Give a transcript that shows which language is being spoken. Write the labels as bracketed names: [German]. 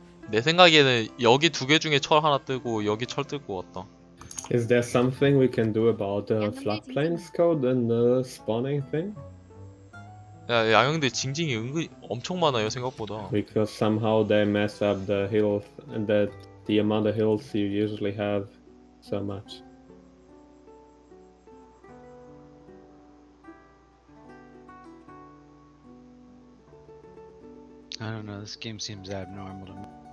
[Korean] 내 생각에는 여기 두 개 중에 철 하나 뜨고 여기 철 뜨고 왔다. [English] Is there something we can do about the floodplains code and the spawning thing? [Korean] 야, 양형들 징징이 은근 엄청 많아요 생각보다. [English] Because somehow they mess up the hills and that the amount of hills you usually have so much. 아, I don't know. This game seems abnormal to me.